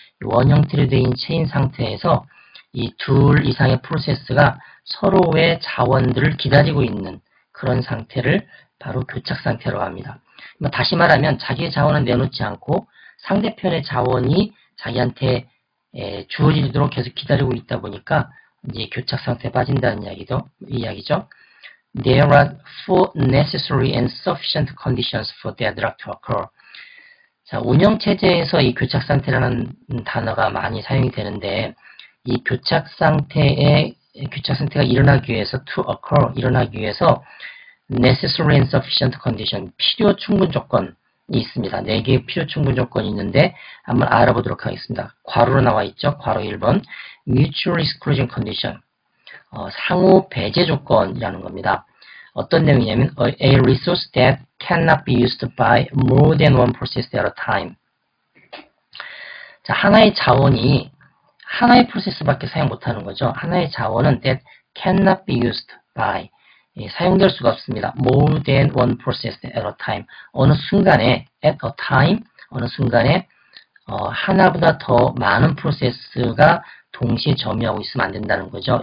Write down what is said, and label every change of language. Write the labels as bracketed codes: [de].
[ko] 원 형태로 되어 있는 체인 상태에서 이둘 이상의 프로세스가 서로의 자원들을 기다리고 있는 그런 상태를 바로 교착 상태라고 합니다. 다시 말하면 자기의 자원은 내놓지 않고 상대편의 자원이 자기한테 주어지도록 계속 기다리고 있다 보니까 이제 교착 상태에 빠진다는 이야기죠. [en] There are four necessary and sufficient conditions for deadlock to occur. [ko] 자, 운영 체제에서 이 교착 상태라는 단어가 많이 사용이 되는데 이 교착 상태가 일어나기 위해서 [en] to occur [ko] 일어나기 위해서 [en] necessary and sufficient condition [ko] 필요 충분 조건이 있습니다. 네 개의 필요 충분 조건이 있는데 한번 알아보도록 하겠습니다. 괄호로 나와 있죠. 괄호 1번 [en] mutual exclusion condition [ko] 상호 배제 조건이라는 겁니다. 어떤 내용이냐면 [en] a resource that cannot be used by more than one process at a time. [ko] 자, 하나의 자원이 하나의 프로세스밖에 사용 못하는 거죠. 하나의 자원은 [en] that cannot be used by [ko] 사용될 수가 없습니다. [en] More than one process at a time. [ko] 어느 순간에 [en] at a time [ko] 어느 순간에 하나보다 더 많은 프로세스가 동시에 점유하고 있으면 안 된다는 거죠.